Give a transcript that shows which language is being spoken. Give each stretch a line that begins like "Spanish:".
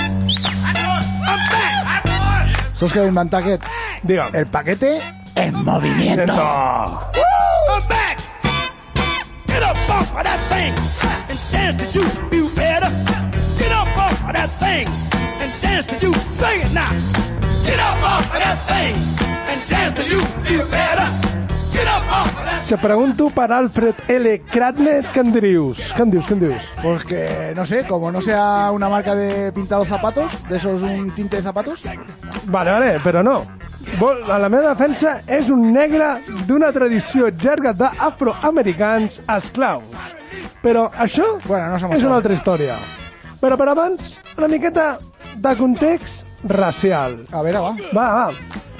Catalan: Saps què va inventar aquest? Digue'm.
Spanish: El paquete en movimiento.
English: I'm back! Get up off of that thing and dance to you, you better. Get up off of that thing and dance to you. Sing it now. Get up off of that thing and dance to you, you better. Get up off of that thing.
Catalan: Se pregunto per Alfred L. Kratnet, què en dius? Què en dius, què en dius?
Spanish: Pues que, no sé, como no sea una marca de pintar los zapatos, de esos un tinte de zapatos...
Catalan: Vale, vale, però no. A la meva defensa és un negre d'una tradició llarga d'afroamericans esclaus. Però això
Spanish: bueno, no
Catalan: és una altra història. Però per abans, una miqueta de context racial. A veure, va. Va, va.